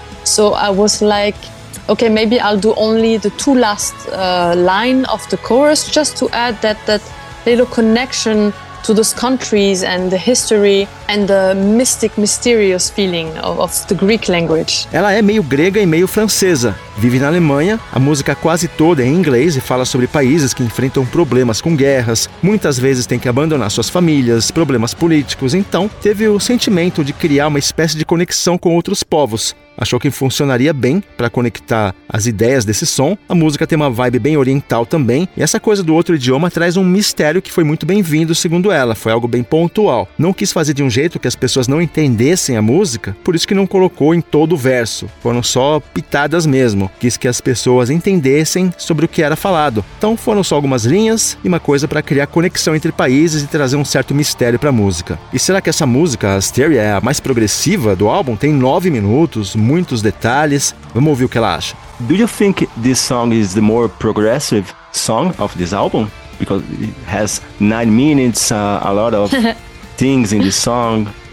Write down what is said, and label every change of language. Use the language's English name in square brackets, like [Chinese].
[English] So I was like, okay, maybe I'll do only the two last line of the chorus, just to add that little connection to those countries and the history and the mystic, mysterious feeling of the Greek language. [Portuguese] Ela é meio grega e meio francesa. Vive na Alemanha, a música quase toda é em inglês e fala sobre países que enfrentam problemas com guerras, muitas vezes têm que abandonar suas famílias, problemas políticos. Então, teve o sentimento de criar uma espécie de conexão com outros povos. Achou que funcionaria bem para conectar as ideias desse som. A música tem uma vibe bem oriental também. E essa coisa do outro idioma traz um mistério que foi muito bem-vindo, segundo ela. Foi algo bem pontual. Não quis fazer de um jeito que as pessoas não entendessem a música, por isso que não colocou em todo o verso. Foram só pitadas mesmo. Quis que as pessoas entendessem sobre o que era falado. Então foram só algumas linhas e uma coisa para criar conexão entre países e trazer um certo mistério para a música. E será que essa música, Asteria, é a mais progressiva do álbum? Tem 9 minutos... muitos detalhes. Vamos ouvir o que ela acha. [English] Do you think this song is the more progressive song of this album? Because it has 9 minutes, a lot of things in this song.